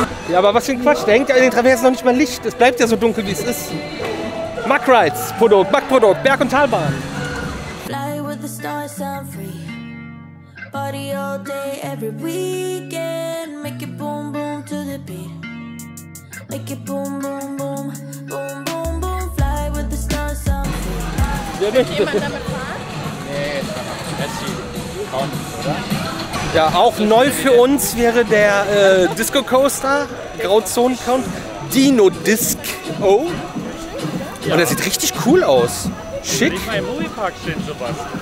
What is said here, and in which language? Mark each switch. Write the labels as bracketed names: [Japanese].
[German] Ja, aber was für ein Quatsch, da hängt ja in den Traversen noch nicht mal Licht. Es bleibt ja so dunkel, wie es ist. Mack-Rides, Produkt, Mack-Produkt, Berg- und Talbahn. [English] Fly with the stars, sound free. Party all day, every weekend. Make it boom, boom to the beat. Make it boom, boom, boom. Boom, boom, boom. Fly with the stars, sound free. [German] Wird jemand damit fahren? Nee, das ist kaum, oder? Ja, auch neu für uns wäre der Disco Coaster, Grauzone Count, Dino Disco. Und der sieht richtig cool aus. Schick. Nicht mal im Moviepark stehen sowas.